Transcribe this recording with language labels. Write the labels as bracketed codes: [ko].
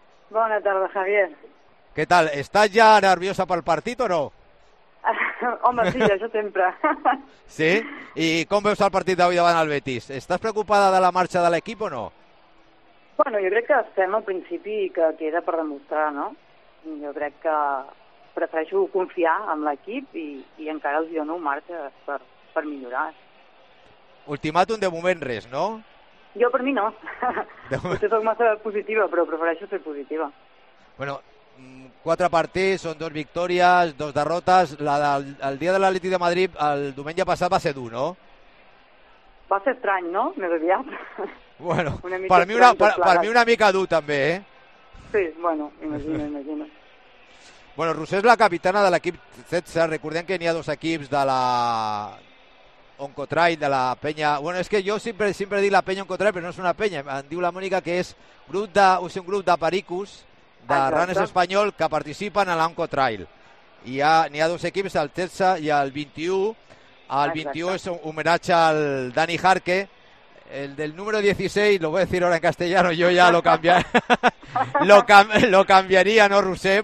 [es] Buena tarde, Javier. ¿Qué tal? ¿Estás ya nerviosa para el partido o no? Hombre, sí, eso temprano. ¿Sí? ¿Y cómo ves el partido de hoy de Van al Betis? ¿Estás preocupada de la marcha del equipo o no? [ca] Bueno, [es] yo creo que [ca] estem al principi i que queda per demostrar, ¿no? [es] Yo creo que [ca] prefereixo confiar en l'equip i encara els dono marge per millorar. Ultimàtum de moment res, no? Jo per mi no. Potser soc massa positiva, però prefereixo ser positiva. Bueno, 4 partits, són 2 victòries, 2 derrotes. El dia de l'Atlètic de Madrid, el diumenge passat, va ser dur, no? Va ser estrany, no? Més aviat. Bueno, per mi una mica dur, també, Sí, bueno, imagina. Bueno, Rusé és la capitana de l'equip CETSA. Recordem que n'hi ha 2 equips de la Oncotrail, de la penya... Bueno, és que jo sempre dic la penya Oncotrail, però no és una penya. Em diu la Mònica que és un grup de pericos, de runners espanyol, que participen a l'Oncotrail. N'hi ha 2 equips, el CETSA i el 21. El 21 és un homenatge al Dani Jarque. [es] El del número 16, lo voy a decir ahora en castellano, yo ya lo cambiaría, lo cambiaría, ¿no, Rusé?